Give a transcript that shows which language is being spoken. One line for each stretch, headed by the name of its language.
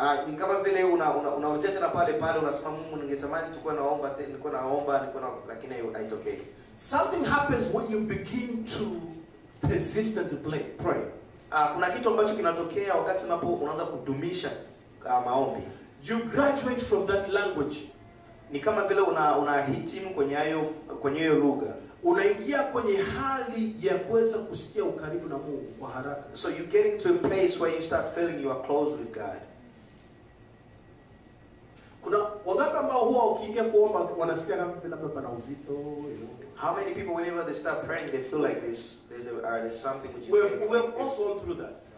Swahili: Ni kama vile unarudia tena pale pale unasema Mungu ningetamani tukue naomba tena nilikuwa naomba lakini haitokei.
English: Something happens when you begin to persist to pray.
Swahili: Kuna kitu ambacho kinatokea wakati unaanza kudumisha maombi.
English: You graduate from that language.
Swahili: Ni kama vile unahitimu kwenye hiyo lugha. Unaingia kwenye hali ya kuweza kusikia ukaribu na Mungu kwa haraka.
English: So you get into a place where you start feeling you are close with God.
Swahili: Kuna wangapi ambao huwa ukiingia kuomba wanasikia kama vile labda pana uzito, you know.
English: How many people whenever they start praying they feel like this there's something which is we've all gone through that.